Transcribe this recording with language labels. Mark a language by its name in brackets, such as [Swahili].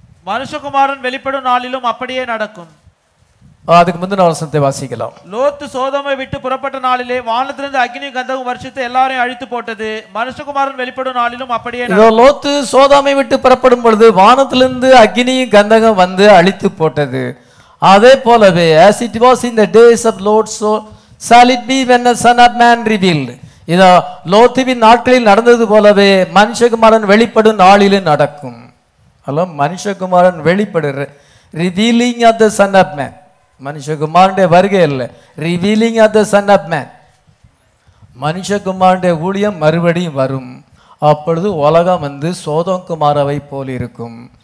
[Tamil] மனுஷகுமாரன் வெளிப்படும் நாளிலும் அப்படியே நடக்கும். அதுக்கு முந்தின வசனத்தை வாசிக்கலாம். லோத்து சோதோமை விட்டு புறப்பட்ட நாளிலே வானத்திலிருந்து அக்னி கந்தகம் வர்ஷித்து எல்லாரையும் அழித்து போட்டது. மனுஷகுமாரன் வெளிப்படும் நாளிலும் அப்படியே. லோத்து சோதோமை விட்டு புறப்படும் பொழுது வானத்திலிருந்து அக்னியும் கந்தகம் வந்து அழித்து போட்டது. அதே போலவே [English] as it was in the days of Lot, so shall it be when the son of man revealed. [Tamil] இதோ லோத்துவின் நாட்களில் நடந்தது போலவே மனுஷகுமாரன் வெளிப்படும் நாளிலும் நடக்கும். ஹலோ, மனுஷகுமாரன் வெளிப்படுற [English] revealing of the son of man, [Tamil] மனுஷகுமாரனுடைய வருகை இல்லை, revealing of the son of man. மனுஷகுமாரனுடைய ஊழியம் மறுபடியும் வரும். அப்பொழுது உலகம் வந்து சோதோம் குமாரவை போல் இருக்கும்.